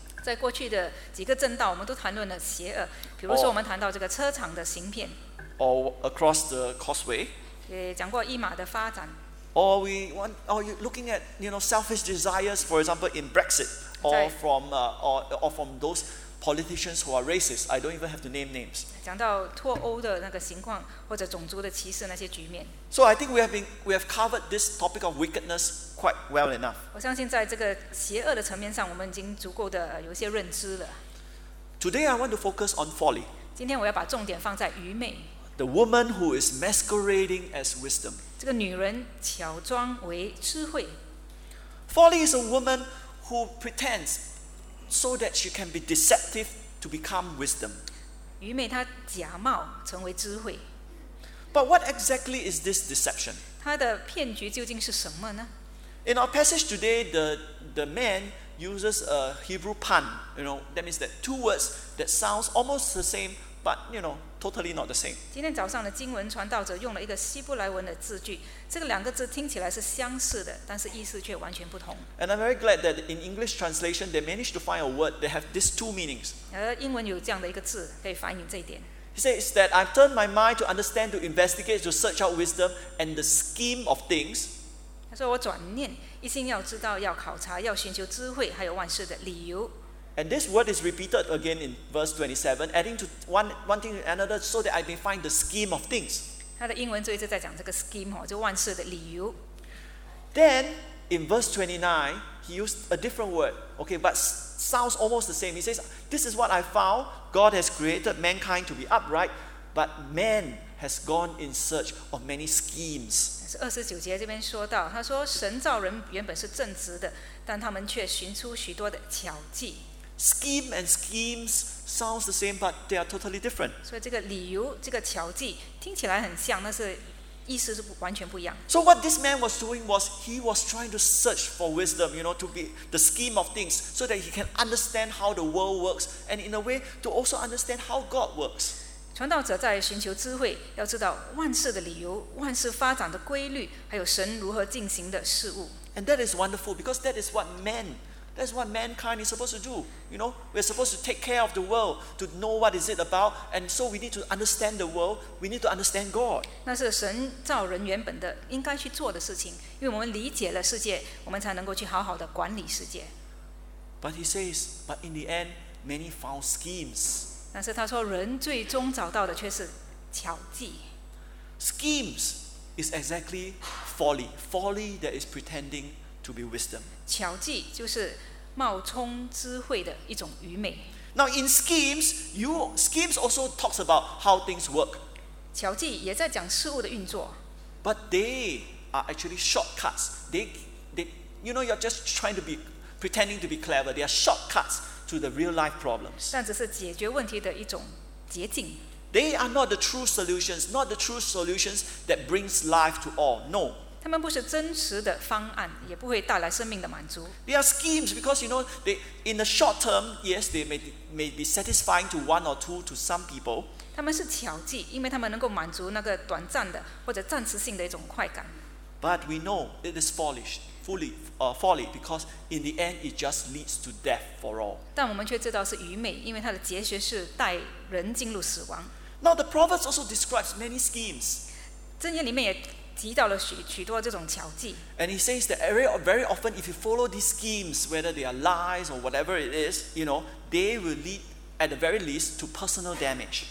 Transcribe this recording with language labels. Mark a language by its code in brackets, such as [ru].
[zh] 在过去的几个政道，我们都谈论了邪恶，比如说我们谈到这个车厂的芯片。 [en] Or across the causeway. [zh] 也讲过一马的发展。 [en] Or we want, or you looking at, you know, selfish desires, for example, in Brexit, or from those politicians who are racist. I don't even have to name names. [zh] 讲到脱欧的那个情况，或者种族的歧视那些局面。 [en] So I think we have covered this topic of wickedness quite well enough. [zh] 我相信在这个邪恶的层面上，我们已经足够的有些认知了。 [en] Today I want to focus on folly. [zh] 今天我要把重点放在愚昧。 [en] The woman who is masquerading as wisdom. [zh] 这个女人乔装为智慧。 [en] Folly is a woman who pretends so that she can be deceptive to become wisdom. [zh] 愚昧她假冒成为智慧。 [en] But what exactly is this deception? [zh] 她的骗局究竟是什么呢？ [en] In our passage today, the man uses a Hebrew pun. You know, that means that two words that sounds almost the same, but you know. Totally not the same. [zh] 今天早上的经文传道者用了一个希伯来文的字句，这个两个字听起来是相似的，但是意思却完全不同。 [en] And I'm very glad that in English translation they managed to find a word that have these two meanings. [zh] 而英文有这样的一个字可以反映这一点。 [en] He says that I've turned my mind to understand, to investigate, to search out wisdom and the scheme of things. [zh] 他说我转念，一心要知道，要考察，要寻求智慧，还有万事的理由。 [en] And this word is repeated again in verse 27, adding to one thing to another so that I may find the scheme of things. [zh] 他的英文就一直在讲这个 scheme, 就万事的理由。 [en] Then, in verse 29, he used a different word, okay, but sounds almost the same. He says, this is what I found. God has created mankind to be upright, but man has gone in search of many schemes. [zh] 二十九节这边说到，他说神造人原本是正直的，但他们却寻出许多的巧计。 [en] Scheme and schemes sounds the same, but they are totally different. [zh] 所以这个理由，这个巧计听起来很像，但是意思是完全不一样。 [en] So what this man was doing was he was trying to search for wisdom, you know, to be the scheme of things, so that he can understand how the world works, and in a way to also understand how God works. [zh] 传道者在寻求智慧，要知道万事的理由、万事发展的规律，还有神如何进行的事物。 [en] And that is wonderful because that is what mankind is supposed to do. You know, we're supposed to take care of the world to know what is it about, and so we need to understand the world. We need to understand God. [zh] 那是神造人原本的应该去做的事情，因为我们理解了世界，我们才能够去好好的管理世界。 [en] But he says, but in the end, many found schemes. [zh] 但是他说人最终找到的却是巧计。 [en] Schemes is exactly folly. Folly that is pretending to be wisdom. [zh] 巧计就是冒充智慧的一种愚昧。 [en] Now in schemes, schemes also talks about how things work. [zh] 巧计也在讲事物的运作。 [en] But they are actually shortcuts. They, you know, you're just trying to be pretending to be clever. They are shortcuts.To the real life problems. [zh] 但只是解决问题的一种捷径。 [en] They are not the true solutions, not the true solutions that brings life to all. No. [zh] 他们不是真实的方案，也不会带来生命的满足。 [en] They are schemes because you know they in the short term, yes, they may be satisfying to one or two to some people. [zh] 他们是巧计，因为他们能够满足那个短暂的或者暂时性的一种快感。 [en] But we know it is folly because in the end it just leads to death for all. [zh] 但我们却知道是愚昧，因为它的结局是带人进入死亡。 [en] Now the Proverbs also describes many schemes. [zh] 箴言里面也提到了 许多这种巧计。 [en] And he says that very often if you follow these schemes, whether they are lies or whatever it is, you know, they will lead at the very least to personal damage.